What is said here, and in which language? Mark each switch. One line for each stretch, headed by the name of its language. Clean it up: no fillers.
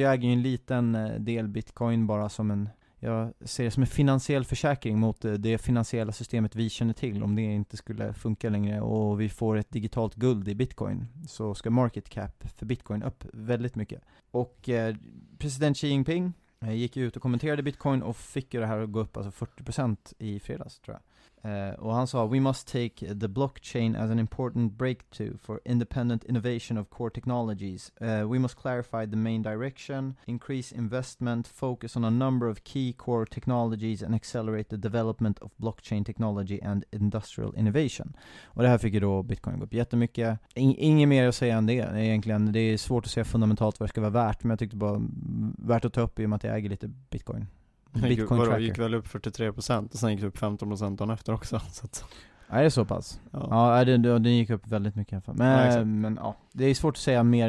Swedish: Jag äger ju en liten del Bitcoin, bara som en, jag ser det som en finansiell försäkring mot det finansiella systemet vi känner till. Om det inte skulle funka längre och vi får ett digitalt guld i Bitcoin, så ska market cap för Bitcoin upp väldigt mycket. Och president Xi Jinping gick ut och kommenterade Bitcoin och fick ju det här att gå upp, alltså 40% i fredags tror jag. Och han sa,
English: we must take the blockchain as an important breakthrough for independent innovation of core technologies. We must clarify the main direction, increase investment, focus on a number of key core technologies and accelerate the development of blockchain technology and industrial innovation.
Swedish: Och det här fick ju då Bitcoin gå upp jättemycket. Inget mer att säga än det egentligen. Det är svårt att säga fundamentalt vad det ska vara värt, men jag tyckte bara värt att ta upp i och med att jag äger lite Bitcoin. Bitcoin gick väl upp 43% och sen gick det upp 15% dagen efter också. Så att. Är det så pass? Ja, ja, den gick upp väldigt mycket. Men ja, det är svårt att säga mer.